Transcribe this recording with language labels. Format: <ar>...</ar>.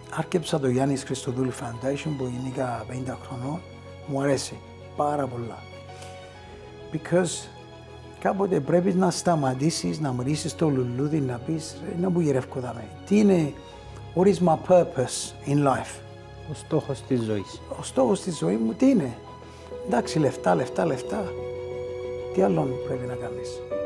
<el>Άρκεψα το Γιάννης Χριστοδούλου Foundation που γεννήκα 50 χρονών. Μου αρέσει πάρα πολλά. Because κάποτε πρέπει να σταματήσεις, να μυρίσεις το λουλούδι, να πεις, να που γυρεύκω δάμε. Τι είναι,</el> <en>what is my purpose in life?</en> <el>Ο στόχος της ζωής. Ο στόχος της ζωής μου τι είναι? Εντάξει, λεφτά, λεφτά, λεφτά. Τι άλλο πρέπει να κάνεις?</el>